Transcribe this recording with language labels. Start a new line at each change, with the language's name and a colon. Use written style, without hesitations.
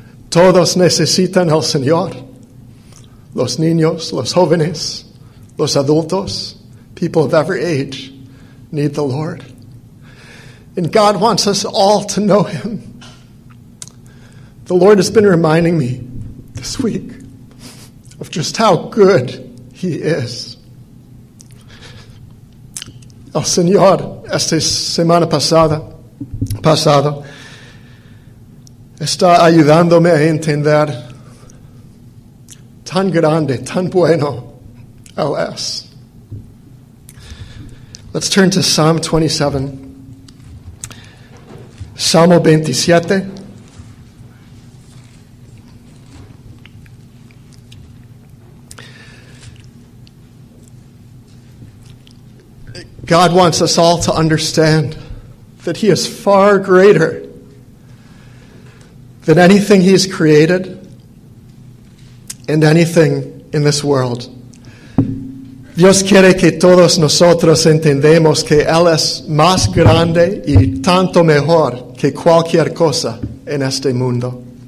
Spanish: Todos necesitan el Señor. Los niños, los jóvenes, los adultos,
English: people of every age need the Lord. And God wants us all to know Him. The Lord has been reminding me this week of just how good He is.
Spanish: El Señor, esta semana pasada, está ayudándome a entender tan grande, tan bueno, Él es.
English: Let's turn to Psalm 27.
Spanish: Salmo 27.
English: God wants us all to understand that He is far greater than anything He's created and anything in this world.
Spanish: Dios quiere que todos nosotros entendemos que Él es más grande y tanto mejor que cualquier cosa en este mundo.